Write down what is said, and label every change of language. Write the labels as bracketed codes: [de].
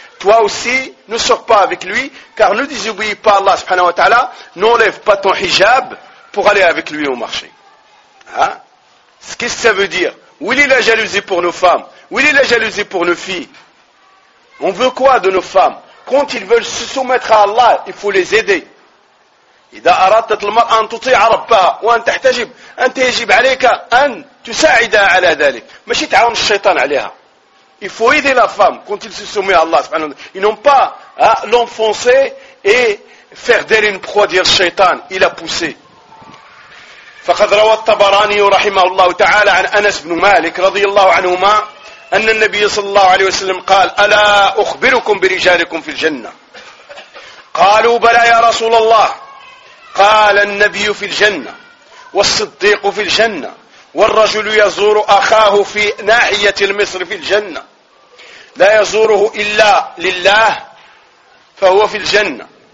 [fr] Toi aussi, ne sors pas avec lui. Car ne désobéis pas Allah subhanahu wa ta'ala. N'enlève pas ton hijab pour aller avec lui au marché. Qu'est-ce que ça veut dire? Où est la jalousie pour nos femmes? Où est la jalousie pour nos filles? On veut quoi de nos femmes? Quand ils veulent se soumettre à Allah, il faut les aider. [ar] إذا أردت المرأة أن تطيع ربها وأن تحتجب أنت يجب عليك أن تساعدها على ذلك. ماشي تعاون الشيطان عليها. [fr] Il faut aider la femme quand ils se soumettent à Allah سبحانه وتعالى. Ils n'ont pas à l'enfoncer et faire d'elle une proie [ar] ديال الشيطان. [fr] Il a poussé. [ar] فقد روى الطبراني رحمه الله تعالى عن أنس بن مالك رضي الله عنهما أن النبي صلى الله عليه وسلم قال: ألا أخبركم برجالكم في الجنة؟ قالوا: بلى يا رسول الله. قال: النبي في الجنة، والصديق في الجنة، والرجل يزور أخاه في ناحية مصر في الجنة، لا يزوره إلا لله فهو في الجنة.